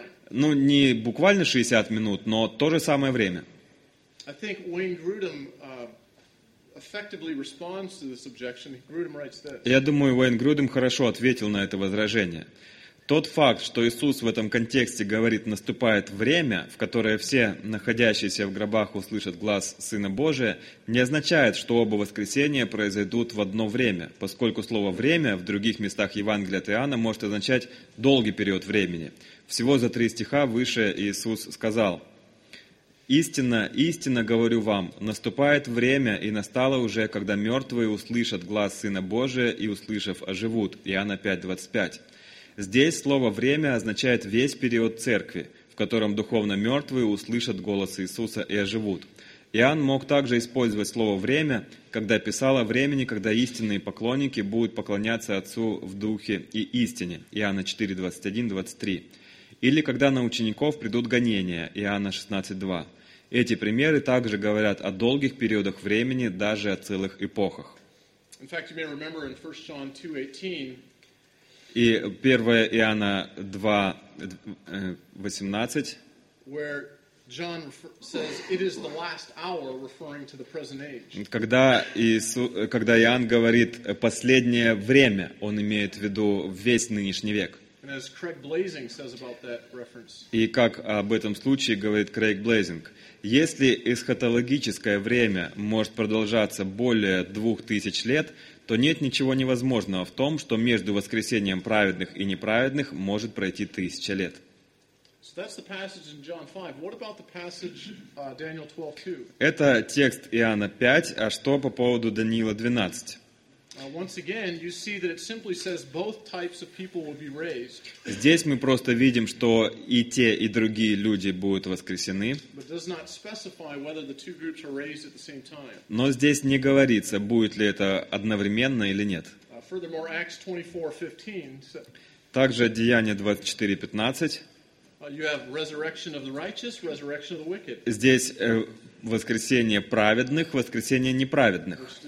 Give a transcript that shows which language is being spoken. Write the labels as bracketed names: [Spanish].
[Russian] Ну, не буквально 60 минут, но то же самое время. [English] I think Wayne Grudem effectively responds to this objection. Grudem writes this. [Russian] Я думаю, Уэйн Грудем хорошо ответил на это возражение. Тот факт, что Иисус в этом контексте говорит, наступает время, в которое все находящиеся в гробах услышат глас Сына Божия, не означает, что оба воскресения произойдут в одно время, поскольку слово «время» в других местах Евангелия от Иоанна может означать долгий период времени. Всего за 3 стиха выше Иисус сказал: «Истинно, истинно говорю вам, наступает время, и настало уже, когда мертвые услышат глас Сына Божия и, услышав, оживут». Иоанна 5:25. Здесь слово «время» означает весь период церкви, в котором духовно мертвые услышат голос Иисуса и оживут. Иоанн мог также использовать слово «время», когда писал о времени, когда истинные поклонники будут поклоняться Отцу в духе и истине. Иоанна 4:21-23. Или когда на учеников придут гонения. Иоанна 16:2. Эти примеры также говорят о долгих периодах времени, даже о целых эпохах. [English] In fact, you may remember in 1 John 2:18. [Russian] И 1 Иоанна 2:18. [English] Where John says it is the last hour, referring to the present age. [Russian] Когда Иоанн говорит последнее время, он имеет в виду весь нынешний век. [English] And as Craig Blazing says about that reference. [Russian] И как об этом случае говорит Крейг Блейзинг. Если эсхатологическое время может продолжаться более 2000 лет, то нет ничего невозможного в том, что между воскресением праведных и неправедных может пройти 1000 лет. [English] So that's the passage in John 5. What about the passage, Daniel 12:2? [Russian] Это текст Иоанна 5, а что по поводу Даниила 12? [English] Once again, you see that it simply says both types of people will be raised. [Russian] Здесь мы просто видим, что и те, и другие люди будут воскресены. [English] But does not specify whether the two groups are raised at the same time. [Russian] Но здесь не говорится, будет ли это одновременно или нет. [English] Furthermore, Acts 24:15. [Russian] Также Деяния 24:15. [English] You have resurrection of the righteous, resurrection of the wicked. [Russian] Здесь воскресение праведных, воскресение неправедных.